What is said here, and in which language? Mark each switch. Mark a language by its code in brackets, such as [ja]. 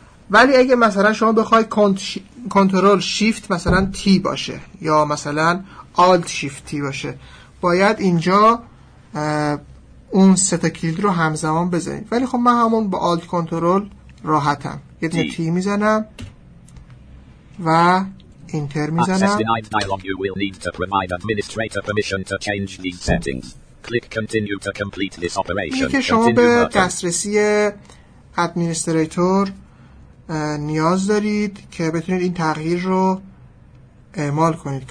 [fa] ولی اگه مثلا شما بخواید کنترل شیفت مثلا تی باشه یا مثلا آلت شیفت تی باشه، باید اینجا اون سه تا کلید رو همزمان بزنید. ولی خب من همون با alt control راحتم، یه دونه تی میزنم و انتر میزنم. [en] Access denied dialog. You will need to provide administrator permission to change these settings. Click continue to complete this operation. [fa] اینکه شما به دسترسی administrator نیاز دارید که بتونید این تغییر رو اعمال کنید.